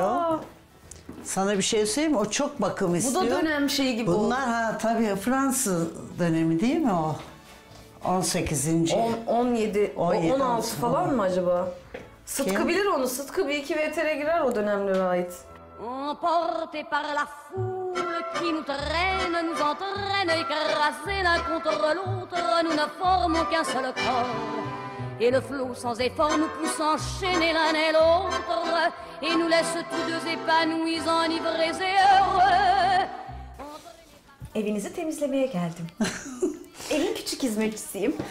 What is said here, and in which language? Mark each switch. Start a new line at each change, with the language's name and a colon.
Turkish: Aa, Sana bir şey söyleyeyim mi? O çok bakım istiyor. Bu da dönem şeyi gibi. Bunlar oldu. Ha tabii Fransız dönemi değil mi o? 18. 17, 16 falan mı acaba? Sıtkı kim? Bilir onu. Sıtkı bir iki VTR'e girer o dönemlere ait.
French: Emporté par la foule qui nous traîne, nous entraîne, écrasés l'un contre l'autre, nous ne formons qu'un seul corps. Et le flot sans effort nous pousse enchaîner l'un et l'autre, et nous laisse tous deux épanouis, enivrés et heureux.
Turkish: Evinizi temizlemeye geldim. Evin küçük hizmetçisiyim.